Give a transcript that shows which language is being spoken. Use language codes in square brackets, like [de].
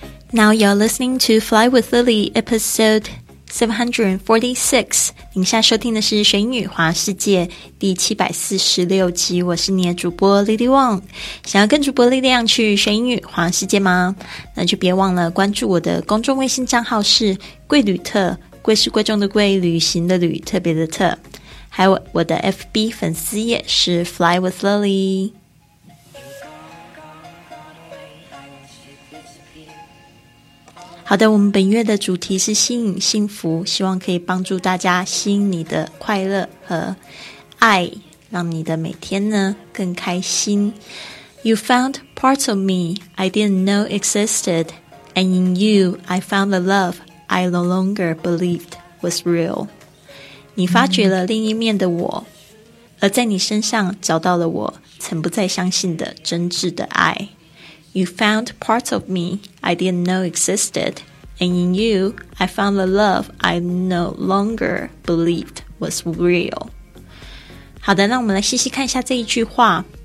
[en] Now you're listening to Fly with Lily, episode 746. [zh] 您现在收听的是《学英语环游世界》第746集。我是你的主播 Lily Wong。想要跟主播力量去学英语环游世界吗？那就别忘了关注我的公众微信账号是贵旅特，贵是贵重的贵，旅行的旅，特别的特。还有我的 FB 粉丝页是 Fly with Lily。好的，我们本月的主题是吸引幸福，希望可以帮助大家吸引你的快乐和爱，让你的每天呢更开心。 [en] You found parts of me I didn't know existed, and in you I found the love I no longer believed was real. [zh] 你发掘了另一面的我，而在你身上找到了我曾不再相信的真挚的爱。 [en] You found parts of me I didn't know existed, and in you, I found the love I no longer believed was real. [zh] 好的，那我们来细细看一下这一句话。